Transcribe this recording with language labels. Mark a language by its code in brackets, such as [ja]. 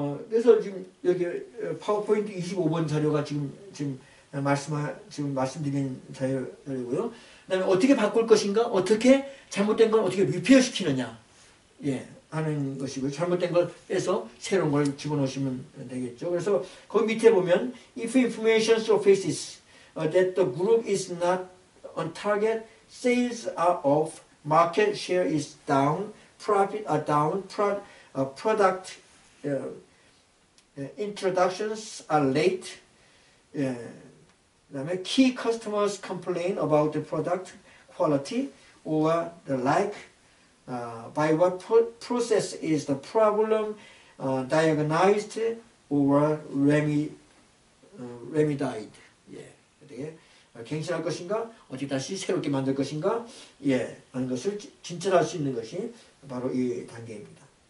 [ko] 그래서 지금 여기 파워포인트 25번 자료가 지금 말씀드린 자료고요. 그다음에 어떻게 바꿀 것인가? 어떻게 잘못된 걸 어떻게 리페어 시키느냐? 예, 하는 것이고요. 잘못된 걸 빼서 새로운 걸 집어넣으시면 되겠죠. 그래서 거기 밑에 보면 [en] if information surfaces that the group is not on target, sales are off, market share is down, profit are down, product introductions are late. [ko] 그다음에 [en] key customers complain about the product quality or the like. By what process is the problem diagnosed or remedied? [ko] 예, 어떻게 갱신할 것인가? 어떻게 다시 새롭게 만들 것인가? 예, 하는 것을 진찰할 수 있는 것이 바로 이 단계입니다.